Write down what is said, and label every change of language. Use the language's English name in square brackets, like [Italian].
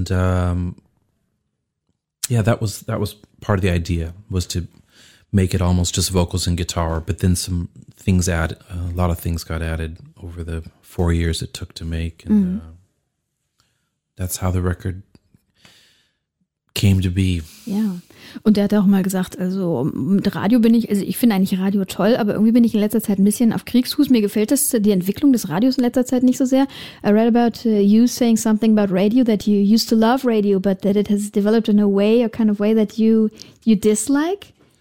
[English] That was part of the idea, was to make it almost just vocals and guitar, but then some things a lot of things got added over the 4 years it took to make, and that's how the record came to be. [German] Ja. Und der hat auch mal gesagt, also mit Radio bin ich, also ich finde eigentlich Radio toll, aber irgendwie bin ich in letzter Zeit ein bisschen auf Kriegsfuß. Mir gefällt das, die Entwicklung des Radios in letzter Zeit nicht so sehr. [English] I read about you saying something about radio, that you used to love radio, but that it has developed in a way, a kind of way that you dislike.